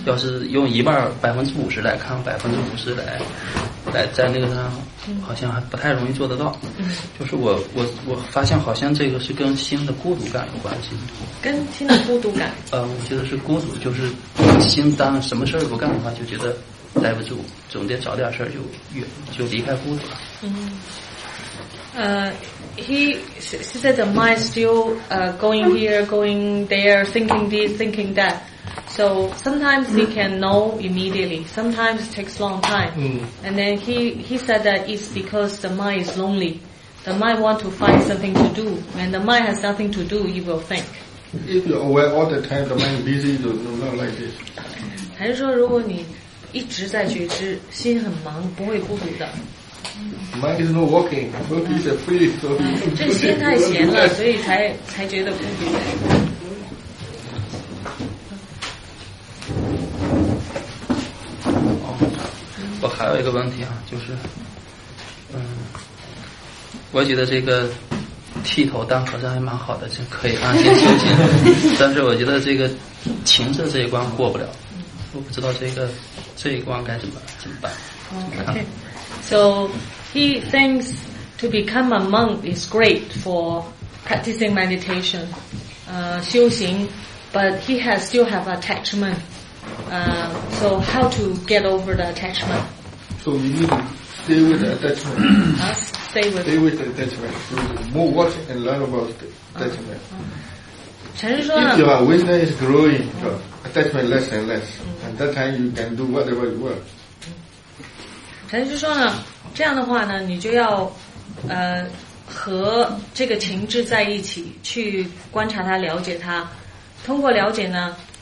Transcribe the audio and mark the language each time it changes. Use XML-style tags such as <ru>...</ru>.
<zh>要是用一半50%来看，50%来在那个上，好像还不太容易做得到。嗯，就是我发现好像这个是跟心的孤独感有关系。跟心的孤独感？我觉得是孤独，就是心当什么事儿不干的话，就觉得待不住，总得找点事儿就离开孤独了。嗯。</zh> <en>He said the mind still going here, going there, thinking this, thinking that. So sometimes he can know immediately. Sometimes it takes a long time. And then he said that it's because the mind is lonely. The mind want to find something to do. When the mind has nothing to do, he will think. If you're aware all the time, the mind is busy, not like this.</en> <zh>还是说如果你一直在觉知，心很忙，不会孤独的。</zh> <en>Mind is not working, but he's a free, so he's free.</en> <zh>这心太闲了，所以才觉得孤独。我还有一个问题啊，就是，我觉得这个剃头当和尚还蛮好的，就可以安心修行。但是我觉得这个情色这一关过不了，我不知道这一关该怎么办。</zh> <en>Okay, so he thinks to become a monk is great for practicing meditation, 修行 ，but he has still have attachment. So how to get over the attachment? So you need to stay with the attachment. Stay with the attachment. More watch and learn about the attachment.</en> <zh>陈师说呢</zh> <en>，Your wisdom is growing, your attachment less and less. At that time, you can do whatever you want.</en> <zh>陈师说呢，这样的话呢，你就要和这个情志在一起，去观察它，了解它。通过了解呢。</zh>